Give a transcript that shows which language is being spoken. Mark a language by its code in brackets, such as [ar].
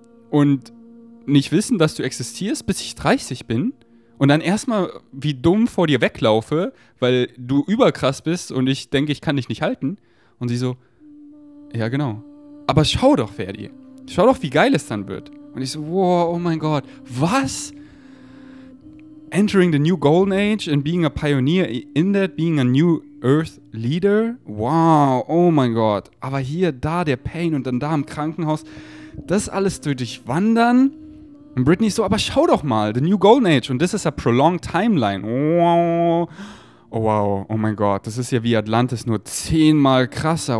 [de] Und nicht wissen, dass du existierst, bis ich 30 bin? Und dann erstmal wie dumm vor dir weglaufe, weil du überkrass bist und ich denke, ich kann dich nicht halten. Und sie so, ja genau. Aber schau doch, Ferdi. Schau doch, wie geil es dann wird. Und ich so, wow, oh mein Gott, was? [en] Entering the new golden age and being a pioneer in that, being a new earth leader. [de] Wow, oh mein Gott. Aber hier, da der Pain und dann da im Krankenhaus. Das alles durch dich wandern. Und Britney so, aber schau doch mal, [en] the new golden age [de] und [en] this is a prolonged timeline. [de] Wow. Oh wow, oh mein Gott, das ist ja wie Atlantis, nur 10-mal krasser.